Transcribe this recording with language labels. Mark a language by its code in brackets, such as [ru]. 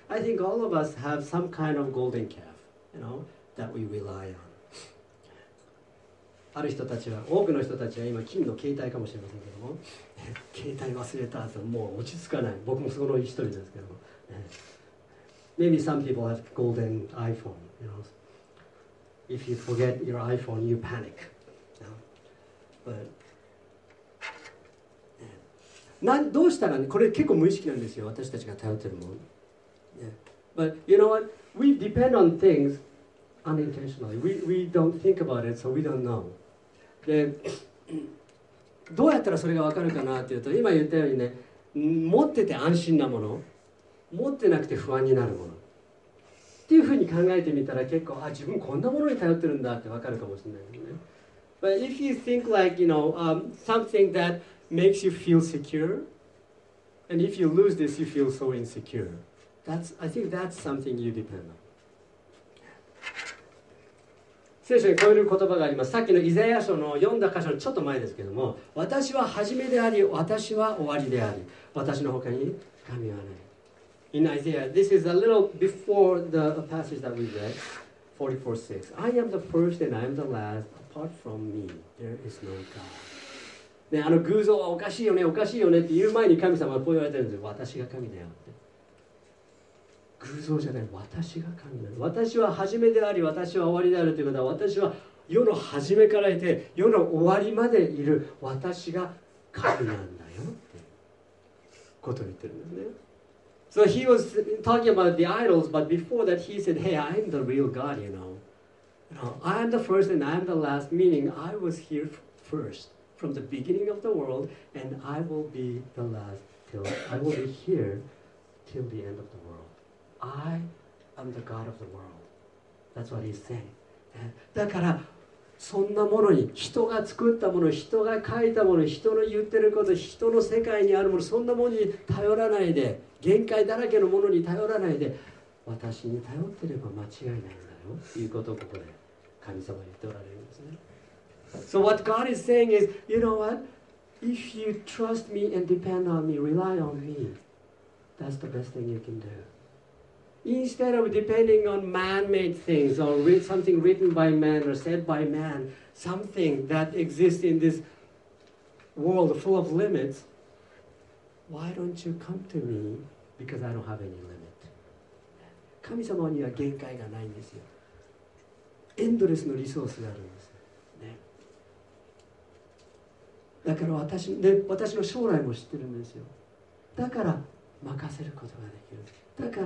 [en] I think all of us have some kind of golden calf, you know, that we rely on. [ja] ある人たちは、多くの人たちは今金の携帯かもしれませんけども、携帯忘れたともう落ち着かない。僕もその一人ですけども、 [en] Maybe some people have golden iPhone. You know, if you forget your iPhone, you panic. You know? But [ja] どうしたらね、これ結構無意識なんですよ、私たちが頼ってるもん。 [en] Yeah. But you know what? We depend on things unintentionally. We don't think about it, so we don't know. [ja] で、どうやったらそれが分かるかなっていうと、今言ったようにね、持ってて安心なもの、持ってなくて不安になるものっていうふうに考えてみたら、結構、あ、自分こんなものに頼ってるんだって分かるかもしれないよね。 [en] But if you think like, you know, something that makes you feel secure, and if you lose this, you feel so insecure. I think that's something you depend on. [ja] 聖書にこういう言葉があります。さっきのイザヤ書の読んだ箇所のちょっと前ですけども、私は始めであり、私は終わりであり、私の他に神はない。 [en] In Isaiah, this is a little before the passage that we read, 44:6. I am the first and I am the last. Apart from me, there is no God. [ja] ね、あの偶像はおかしいよね、おかしいよねって言う前に神様はこう言われてるんですよ。私が神だよって。偶像じゃない、私が神だよ。私は初めであり、私は終わりであるということは、私は世の初めからいて、世の終わりまでいる私が神なんだよってことを言ってるんですね。 [en] So he was talking about the idols, but before that he said, Hey, I'm the real God, you know. I am the first and I am the last, meaning I was here first. From the beginning of the world, and I will be the last till I will be here till the end of the world. I am the God of the world. That's what he's saying. [ja] だからそんなものに人が作ったもの、人が書いたもの、人の言ってること、人の世界にあるもの、そんなものに頼らないで、限界だらけのものに頼らないで、私に頼ってれば間違いないんだよということをここで神様は言っておられるんですね。 [en] So what God is saying is, you know what? If you trust me and depend on me, rely on me, that's the best thing you can do. Instead of depending on man-made things or something written by man or said by man, something that exists in this world full of limits, why don't you come to me? Because I don't have any limit. [ja] 神様には限界がないんですよ。エンドレスのリソースがあるんです。だから私の将来も知ってるんですよ。だから任せることができる。